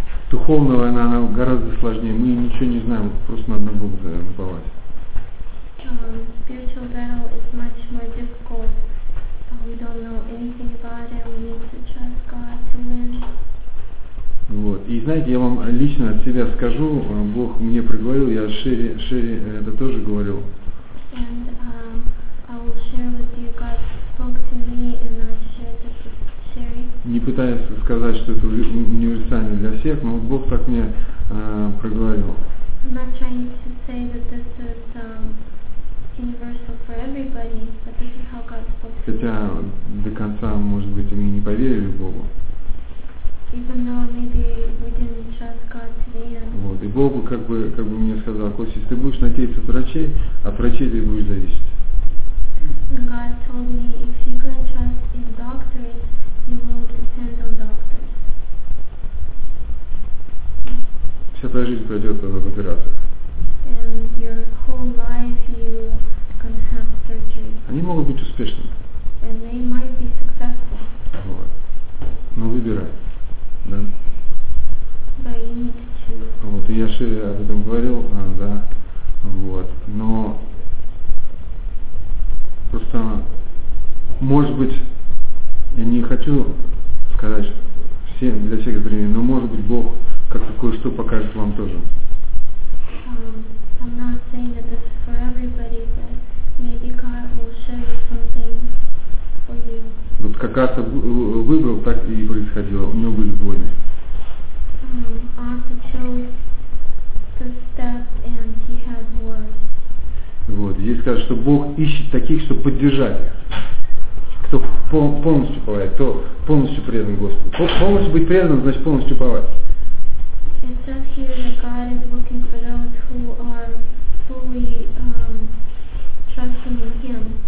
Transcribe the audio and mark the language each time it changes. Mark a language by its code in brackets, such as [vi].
[ru] Духовная война, она гораздо сложнее. Мы ничего не знаем, просто надо на Бога уповать. [en] Spiritual battle is much more difficult. We don't know anything about it. We need to trust God to win. [ru] Вот. И знаете, я вам лично от себя скажу, Бог мне приговорил, я Шерри это тоже говорил. [en] And I will share with you, God spoke to me and I shared this with Sherry. [ru] Не пытаюсь сказать, что это универсально для всех, но вот Бог так мне проговорил. [en] I'm not trying to say that this is universal for everybody, but this is how God spoke to me. [ru] Хотя до конца, может быть, они не поверили Богу. [en] Even though maybe we didn't trust God to the end. [ru] Вот, и Бог как бы мне сказал, Костя, если ты будешь надеяться от врачей, от врачей ты будешь зависеть. [en] And God told me, if you can trust in doctors, you will depend on doctors. [ru] Вся твоя жизнь пройдет в операциях. [en] And your whole life you can have surgery. [ru] Они могут быть успешными. [en] And they might be successful. [ru] Вот. Но выбирай. Да. [en] But you need to choose. [ru] Вот, и я Шире об этом говорил, да. Вот. Но просто, может быть, я не хочу сказать всем для всех времени, но может быть Бог как-то кое-что покажет вам тоже. [en] I'm not saying that this is for everybody, but maybe God will show you something. [ru] Вот как Аса выбрал, так и происходило. У него были войны. [en] Аса chose the step and he had wars. [ru] Вот. Здесь сказано, что Бог ищет таких, чтобы поддержать их. Кто полностью уповает, то полностью предан Господу. Полностью быть преданным, значит полностью уповать. [en] It says here that God is looking for those who are fully trusting in Him.